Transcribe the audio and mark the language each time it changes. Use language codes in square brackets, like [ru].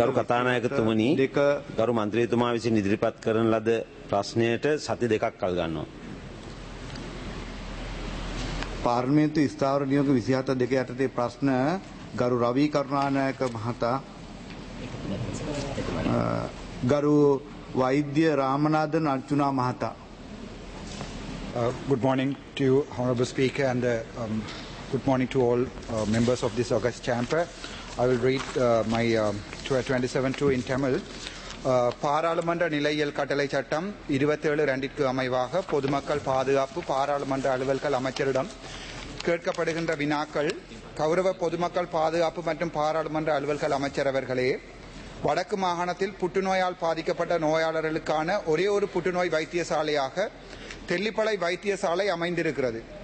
[si] ගරු කතානායකතුමනි, ගරු මන්ත්‍රීතුමා විසින් ඉදිරිපත් කරන ලද ප්‍රශ්නයට සති දෙකක් කල් ගන්නවා. පාර්ලිමේන්තු ස්ථාවර නියෝග 27(2) යටතේ ප්‍රශ්න ගරු රවි කරුණානායක මහතා, ගරු වෛද්‍ය රාමනාදන් අර්චුනා මහතා. [en] Good morning to you, Honorable Speaker, and good morning to all members of this august chamber. I will read my 27(2) in Tamil. [ta] பாராளுமன்ற நிலையியல் கட்டளை சட்டம் 27(2)க்கு அமைவாக பொதுமக்கள் பாதுகாப்பு பாராளுமன்ற அலுவல்கள் அமைச்சரிடம் கேட்கப்படுகின்ற வினாக்கள். கௌரவ பொதுமக்கள் பாதுகாப்பு மற்றும் பாராளுமன்ற அலுவல்கள் அமைச்சர் அவர்களே, வடக்கு மாகாணத்தில் புற்றுநோயால் பாதிக்கப்பட்ட நோயாளர்களுக்கான ஒரே ஒரு புற்றுநோய் வைத்தியசாலையாக தெல்லிப்பளை வைத்தியசாலை அமைந்திருக்கிறது.